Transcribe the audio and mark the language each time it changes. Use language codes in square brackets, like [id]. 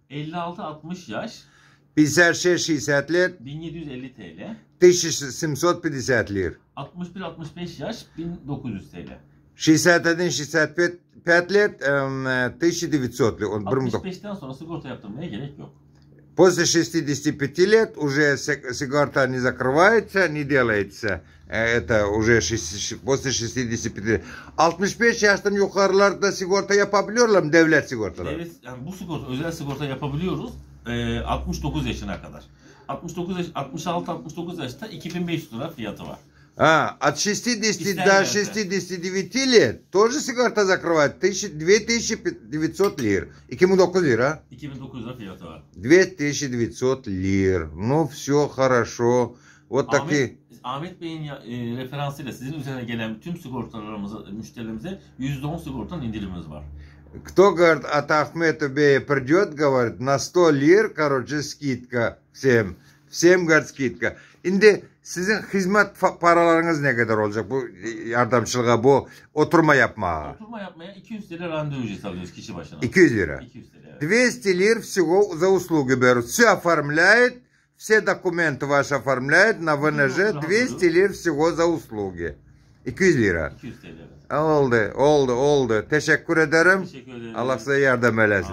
[tr] 56-60 yaş. [ru] 56-60 лет. [tr] 1750 TL. [ru] 1750 лир. [tr] 61-65 yaş. 1900 TL. [ru] 61-65 лет. 1900 лир. [tr] 65'ten sonra sigorta yaptırmaya gerek yok. [ru] После 65 лет уже сигарта не закрывается, не делается. Это уже после 65 лет. [tr] 65 yaştan yukarılarda sigorta yapabiliyorlar mı? Devlet sigortaları. Evet, yani bu sigorta, özel sigorta yapabiliyoruz 69 yaşına kadar. 66-69 yaşta 2500 lira fiyatı var. [ru] От 60 до 69 лет тоже сигарта закрывает 2900 лир. 2900 лир, а? 2900 лир. Ну, все хорошо. Вот такие. [tr] Ahmet Bey'in referansıyla sizin üzerine gelen tüm sigortalarımıza, müşterilerimize %10 sigortan indirimimiz var. [ru] Кто говорит, от Ахмета Бея придет, говорит, на 100 лир, короче, скидка всем. Всем, говорит, скидка. [tr] Инди, sizin hizmet paralarınız ne kadar olacak bu yardımcılığa, bu oturma yapmaya? Oturma yapmaya 200 lira randevu ücreti alıyoruz kişi başına. 200 lira. 200 lira. [ru] 200 lir всего за услуги берут. Все оформляет, все документы ваши оформляет на ВНЖ. 200 лир всего за услуги. 200 лира. 200 лир. [tr] Oldu, oldu, oldu. Teşekkür ederim. Teşekkür ederim. Allah size yardım eylesin.